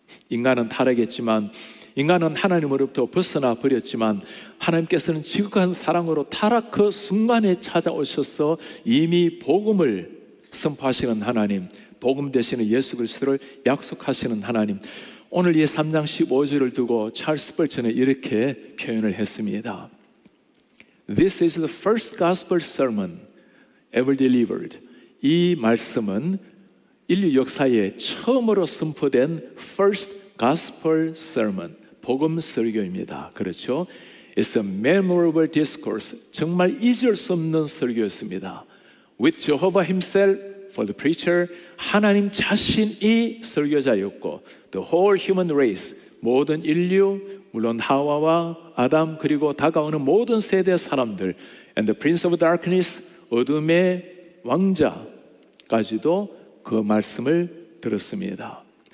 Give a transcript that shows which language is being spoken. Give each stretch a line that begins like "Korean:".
Korean: 인간은 타락했지만, 인간은 하나님으로부터 벗어나 버렸지만, 하나님께서는 지극한 사랑으로 타락 그 순간에 찾아오셔서 이미 복음을 선포하시는 하나님, 복음 되시는 예수 그리스도를 약속하시는 하나님. 오늘 이 3장 15절을 두고 찰스 스펄처는 이렇게 표현을 했습니다.
English: This is the first gospel sermon ever delivered.
Korean: 이 말씀은 인류 역사에 처음으로 선포된
English: first gospel sermon,
Korean: 복음 설교입니다. 그렇죠?
English: It's a memorable discourse.
Korean: 정말 잊을 수 없는 설교였습니다.
English: With Jehovah himself for the preacher,
Korean: 하나님 자신이 설교자였고,
English: the whole human race,
Korean: 모든 인류, 물론 하와와 아담, 그리고 다가오는 모든 세대 사람들,
English: and the prince of darkness,
Korean: 어둠의 왕자까지도 그 말씀을 들었습니다.